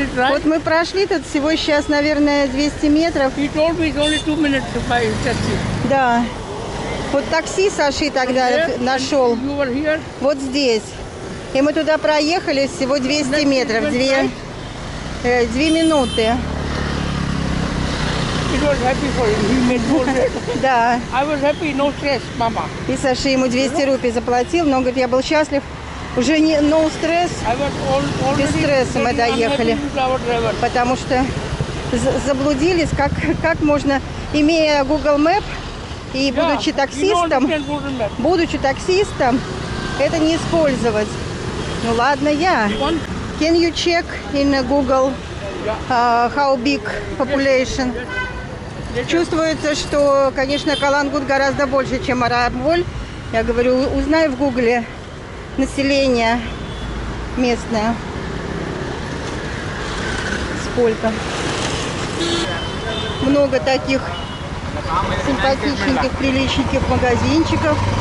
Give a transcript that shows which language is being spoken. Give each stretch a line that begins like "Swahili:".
Russian: Вот мы прошли тут всего сейчас, наверное, 200 метров.
English: He told me it's only 2 minutes to buy a taxi.
Russian: Да. Вот такси Саши тогда нашел.
English: You were here.
Russian: Вот здесь. И мы туда проехали всего 200 метров. Две минуты.
English: It was happy for him.
Russian: Да.
English: I was happy, no stress, mama.
Russian: И Саши ему 200 рупий заплатил, но он говорит, я был счастлив. Уже не
English: no stress,
Russian: без стресса мы доехали, потому что заблудились, как можно, имея Google Map и будучи таксистом, это не использовать. Ну ладно, я.
English: Can you check in Google how big population?
Russian: Чувствуется, что, конечно, Калангут гораздо больше, чем Арамболь. Я говорю, узнай в Гугле население местное. Сколько? Много таких симпатичненьких, приличненьких магазинчиков.